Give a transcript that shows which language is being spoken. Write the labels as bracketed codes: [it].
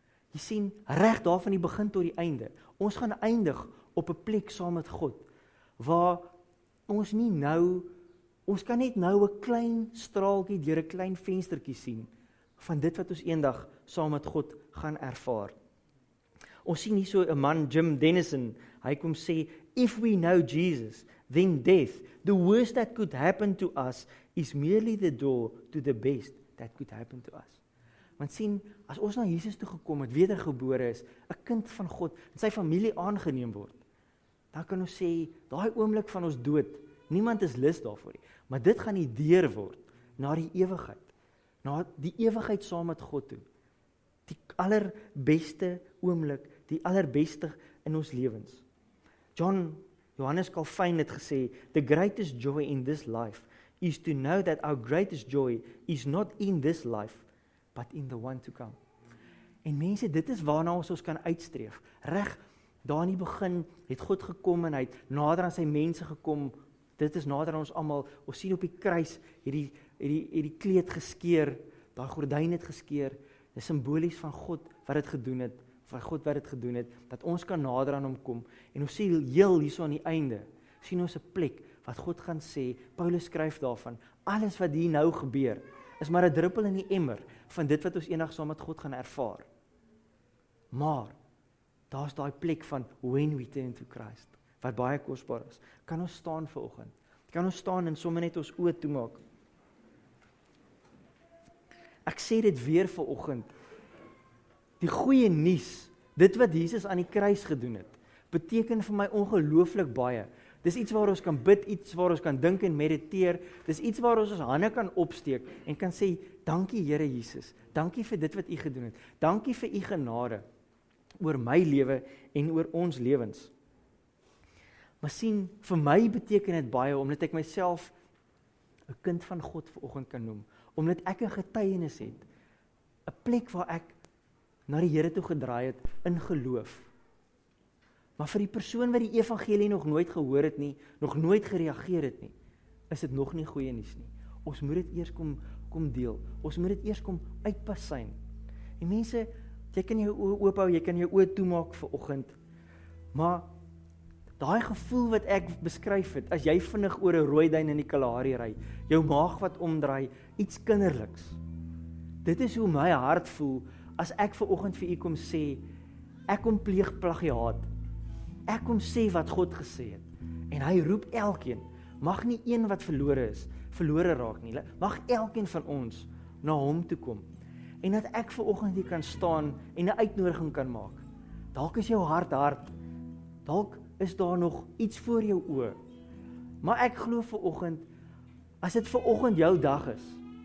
[af] Jy sien, reg daar van die begin tot die einde, ons gaan eindig op 'n plek saam met God, waar ons nie nou, ons kan net nou 'n klein straaltjie deur 'n klein venstertjie sien van dit wat ons eendag saam met God gaan ervaar. Ons sien hier so 'n man, Jim Dennison, hy kom sê, [en] if we know Jesus, then death, the worst that could happen to us, is merely the door to the best that could happen to us. [af] Want sien, as ons na Jesus toe gekom het, wedergebore is, 'n kind van God, en sy familie aangeneem word, dan kan ons sê, daai oomblik van ons dood, niemand is lus daarvoor nie, maar dit gaan die deur word, na die ewigheid, na die ewigheid saam met God toe, die allerbeste oomblik, die allerbeste in ons lewens. [en] Johannes Calvin [af] het gesê, [en] the greatest joy in this life is to know that our greatest joy is not in this life, but in the one to come. [af] En mense, dit is waarna ons kan uitstreef. Reg, daar in die begin het God gekom en hy het nader aan sy mense gekom. Dit is nader aan ons allemaal. Ons sien op die kruis, hierdie kleed geskeer, daar gordijn het geskeer. Dit is symbolies van God wat het gedoen het, van God wat het gedoen het, dat ons kan nader aan hom kom. En ons sien heel hier so aan die einde, sien ons 'n plek wat God gaan sê, Paulus skryf daarvan, alles wat hier nou gebeur, is maar 'n druppel in die emmer van dit wat ons eendag saam met God gaan ervaar. Maar, daar is daai plek van [en] when we turn to Christ, [af] wat baie kosbaar is. Kan ons staan vanoggend? Kan ons staan en sommer net ons oë toemaak? Ek sê dit weer vanoggend. Die goeie nuus, dit wat Jesus aan die kruis gedoen het, beteken vir my ongelooflik baie. Dis iets waar ons kan bid, iets waar ons kan dink en mediteer. Dis iets waar ons hande kan opsteek en kan sê, dankie Here Jesus, dankie vir dit wat u gedoen het. Dankie vir u genade oor my lewe en oor ons lewens. Maar sien, vir my beteken dit baie, omdat ek myself 'n kind van God vanoggend kan noem. Omdat ek 'n getuienis het, 'n plek waar ek na die Here toe gedraai het in geloof. Maar vir die persoon wat die evangelie nog nooit gehoor het nie, nog nooit gereageer het nie, is dit nog nie goeie nuus nie. Ons moet dit eers kom deel. Ons moet dit eers kom uitpasyn. En mense, jy kan jou oë oophou, jy kan jou oë toemaak vir oggend, maar daai gevoel wat ek beskryf het, as jy vinnig oor 'n rooi duin in die Kalahari ry, jou maag wat omdraai, iets kinderliks. Dit is hoe my hart voel, as ek vir oggend vir u kom sê, ek kom pleeg plagiaat, ek kom sê wat God gesê het, en hy roep elkeen, mag nie een wat verlore is, verlore raak nie, mag elkeen van ons na hom toe kom, en dat ek vir oggend hier kan staan, en 'n uitnodiging kan maak, dalk is jou hart hard, dalk is daar nog iets voor jou oë, maar ek glo vir oggend, as dit vir oggend jou dag is,